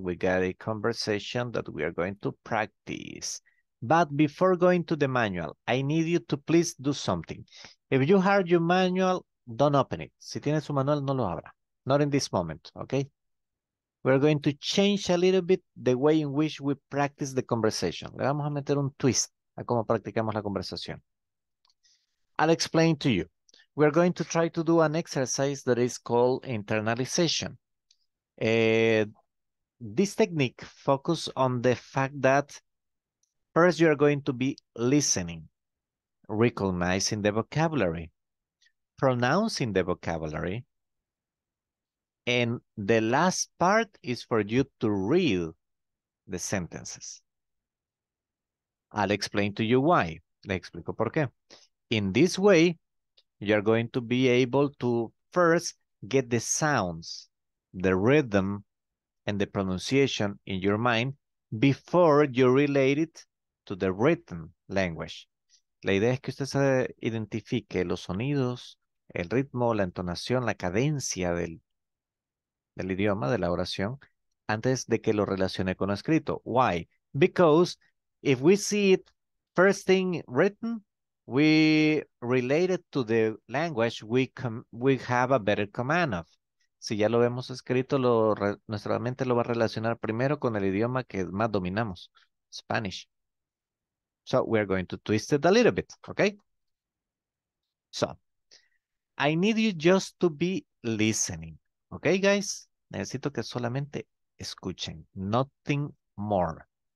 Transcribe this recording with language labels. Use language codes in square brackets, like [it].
[en] We got a conversation that we are going to practice. But before going to the manual, I need you to please do something. If you have your manual, don't open it. [es] Si tienes su manual, no lo abra. [en] Not in this moment, okay? We're going to change a little bit the way in which we practice the conversation. [es] Le vamos a meter un twist a cómo practicamos la conversación. [en] I'll explain to you. We're going to try to do an exercise that is called internalization. This technique focuses on the fact that first you're going to be listening, recognizing the vocabulary, pronouncing the vocabulary, and the last part is for you to read the sentences. I'll explain to you why. [es] Le explico por qué. [en] In this way, you're going to be able to first get the sounds, the rhythm, and the pronunciation in your mind before you relate it to the written language. [es] La idea es que usted se identifique los sonidos, el ritmo, la entonación, la cadencia del idioma, de la oración, antes de que lo relacione con lo escrito. [en] Why? Because if we see it first thing written, we relate it to the language we have a better command of. [es] Si ya lo vemos escrito, nuestra mente lo va a relacionar primero con el idioma que más dominamos, Spanish. [en] So we're going to twist it a little bit, okay? So I need you just to be listening, okay, guys? [es] Necesito que solamente escuchen, [en] nothing more.